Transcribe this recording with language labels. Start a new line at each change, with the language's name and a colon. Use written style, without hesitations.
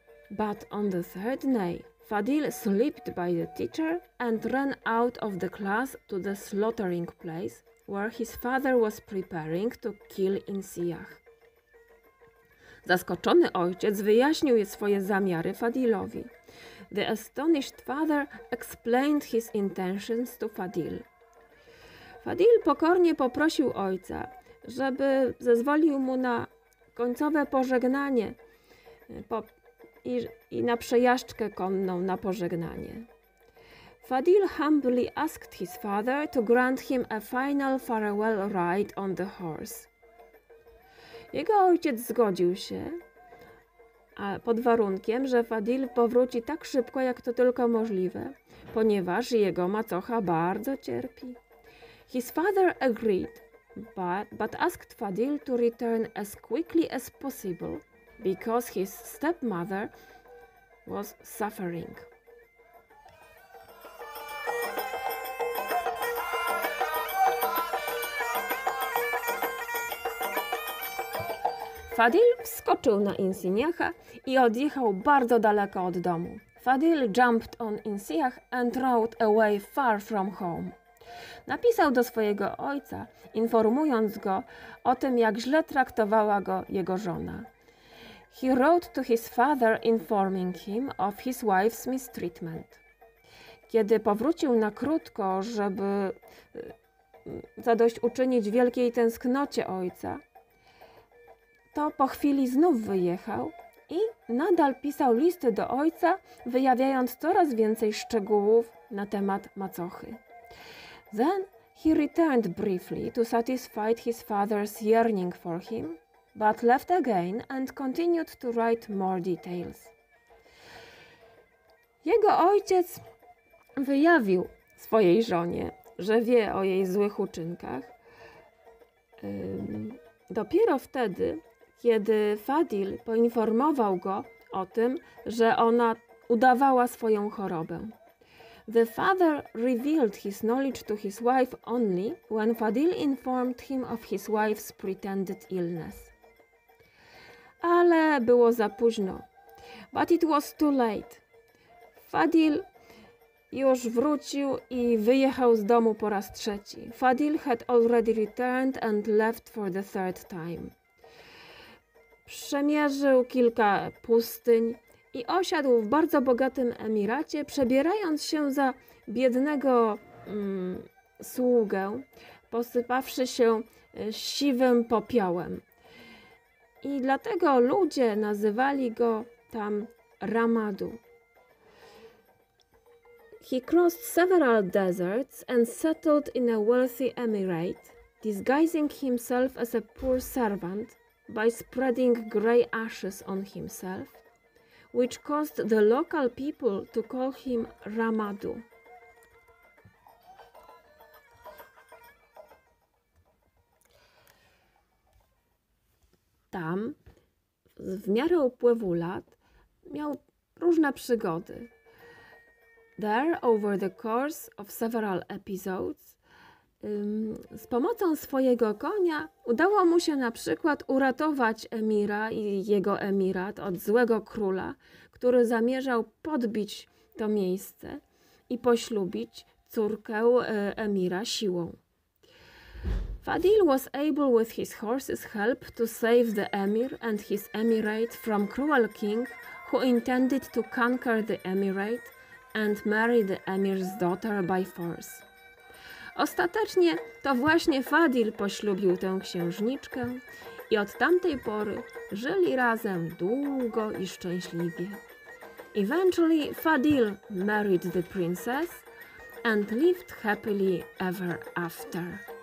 English: But on the third neigh, Fadil slipped by the teacher and ran out of the class to the slaughtering place, where his father was preparing to kill in Siach.
Polish: Zaskoczony ojciec wyjaśnił swoje zamiary Fadilowi.
English: The astonished father explained his intentions to Fadil.
Polish: Fadil pokornie poprosił ojca, żeby zezwolił mu na końcowe pożegnanie i na przejażdżkę konną na pożegnanie.
English: Fadil humbly asked his father to grant him a final farewell ride on the horse.
Polish: Jego ojciec zgodził się, a pod warunkiem, że Fadil powróci tak szybko, jak to tylko możliwe, ponieważ jego macocha bardzo cierpi.
English: His father agreed, but asked Fadil to return as quickly as possible, because his stepmother was suffering.
Polish: Fadil wskoczył na Insiniacha i odjechał bardzo daleko od domu.
English: Fadil jumped on Insiniach and rode away far from home.
Polish: Napisał do swojego ojca, informując go o tym, jak źle traktowała go jego żona.
English: He wrote to his father informing him of his wife's mistreatment.
Polish: Kiedy powrócił na krótko, żeby zadośćuczynić wielkiej tęsknocie ojca, to po chwili znów wyjechał i nadal pisał listy do ojca, wyjawiając coraz więcej szczegółów na temat macochy.
English: Then he returned briefly to satisfy his father's yearning for him, but left again and continued to write more details.
Polish: Jego ojciec wyjawił swojej żonie, że wie o jej złych uczynkach. Dopiero wtedy, kiedy Fadil poinformował go o tym, że ona udawała swoją chorobę.
English: The father revealed his knowledge to his wife only when Fadil informed him of his wife's pretended illness.
Polish: Ale było za późno.
English: But it was too late.
Polish: Fadil już wrócił i wyjechał z domu po raz trzeci.
English: Fadil had already returned and left for the third time.
Polish: Przemierzył kilka pustyń i osiadł w bardzo bogatym emiracie, przebierając się za biednego sługę, posypawszy się siwym popiołem. I dlatego ludzie nazywali go tam Ramadu.
English: He crossed several deserts and settled in a wealthy emirate, disguising himself as a poor servant, by spreading grey ashes on himself, which caused the local people to call him Ramadu.
Polish: Tam, w miarę upływu lat, miał różne przygody.
English: There, over the course of several episodes,
Polish: z pomocą swojego konia udało mu się na przykład uratować emira i jego emirat od złego króla, który zamierzał podbić to miejsce i poślubić córkę emira siłą.
English: Fadil was able with his horse's help to save the emir and his emirate from cruel king who intended to conquer the emirate and marry the emir's daughter by force.
Polish: Ostatecznie to właśnie Fadil poślubił tę księżniczkę i od tamtej pory żyli razem długo i szczęśliwie.
English: Eventually Fadil married the princess and lived happily ever after.